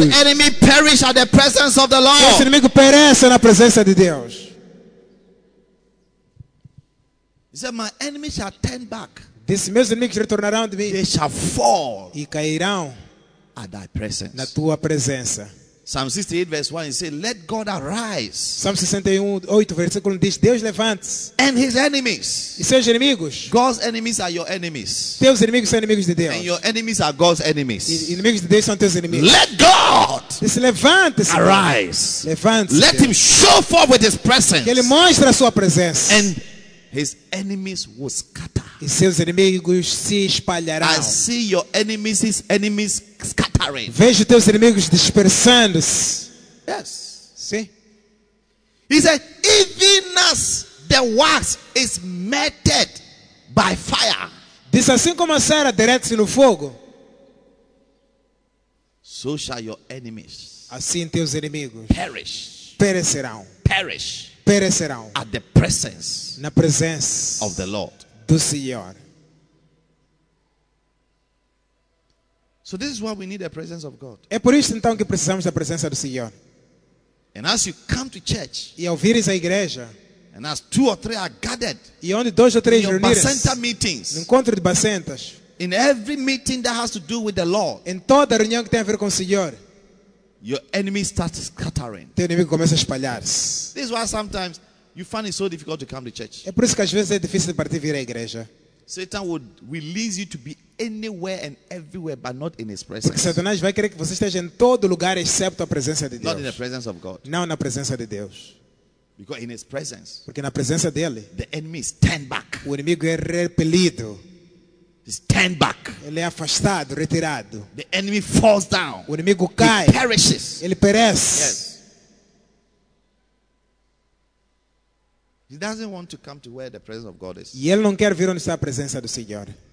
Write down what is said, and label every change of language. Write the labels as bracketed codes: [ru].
[en] May that enemy perish at the presence of the Lord, [pt] que esse inimigo pereça na presença de Deus. [en] He said, my enemies shall turn back. [pt] Esses meus inimigos retornarão de mim. [en] They shall fall, [pt] e cairão [en] at thy presence, [pt] na tua presença. [en] Psalm 68 verse 1 he said, let God arise. [pt] Psalm 68 versículo 1 diz, Deus levante-se. [en] And his enemies, [pt] e seus inimigos. [en] God's enemies are your enemies, [pt] teus inimigos são inimigos de Deus. [en] And your enemies are God's enemies, [pt] e inimigos de Deus são teus inimigos. [en] Let God, [pt] diz, levante-se. [en] Arise, [pt] levante-se. [en] Let him show forth with his presence, [pt] que ele mostre a sua presença. [en] And his enemies will scatter, [pt] e seus inimigos se espalharão. [en] I see your enemies, his enemies scattering. [pt] Vejo teus inimigos dispersando-se. [en] Yes. [pt] Sim. [en] He said, even as the wax is melted by fire. [pt] Diz, assim como a cera derrete-se no fogo, [en] so shall your enemies, [pt] assim teus inimigos [en] perish, [pt] perecerão. [en] Perish, [pt] perecerão. [en] At the presence, [pt] na presença [en] of the Lord, [pt] do Senhor. [en] So this is why we need the presence of God. [pt] É por isso então que precisamos da presença do Senhor. [en] And as you come to church, [pt] e ao vires a igreja, [en] and as two or three are gathered, [pt] e onde dois ou três reunidos, [en] in Bacenta meetings, [pt] no encontro de Bacentas, [en] in every meeting that has to do with the Lord, [pt] em toda reunião que tem a ver com o Senhor, [en] your enemy starts scattering. [pt] Teu inimigo começa a espalhar-se. [en] This is why sometimes you find it so difficult to come to church. [pt] É por isso que às vezes é difícil para te vir à igreja. [en] Satan would release you to be anywhere and everywhere, but not in his presence. [pt] Porque Satanás vai querer que você esteja em todo lugar, exceto a presença de Deus. [en] Not in the presence of God. [pt] Não na presença de Deus. [en] Because in his presence. [pt] Porque na presença dele. [en] The enemy is turned back. [pt] O inimigo é repelido. [en] He's turned back. [pt] Ele é afastado, retirado. [en] The enemy falls down. [pt] O inimigo cai. [en] He perishes. [pt] Ele perece. [en] Yes. He doesn't want to come to where the presence of God is. [pt] E ele não quer vir onde está a presença do Senhor.